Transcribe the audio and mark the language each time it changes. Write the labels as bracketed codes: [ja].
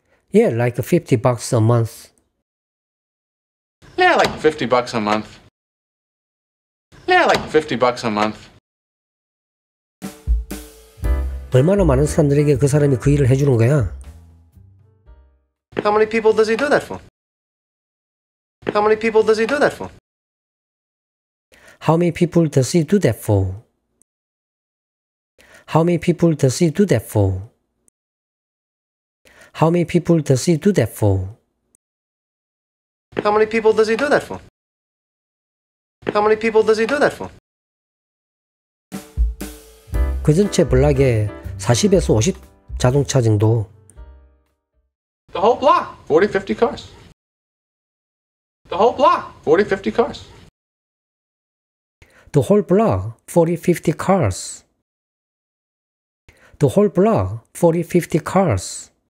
[en] Yeah, like $50 a month. Yeah, like $50 a month. Yeah, like $50 a month. [ko] 얼마나 많은 사람들에게 그 사람이 그 일을 해주는 거야? [en] How many people does he do that for? How many people does he do that for? How many people does he do that for? How many people does he do that for? How many people does he do that for? How many people does he do that for? How many people does he do that for? [ko] 그 전체 블락에 40에서 50 자동차 정도. [en] The whole block, 40-50 cars. The whole block, 40-50 cars. The whole block, 40-50 cars. The whole block, 40-50 cars.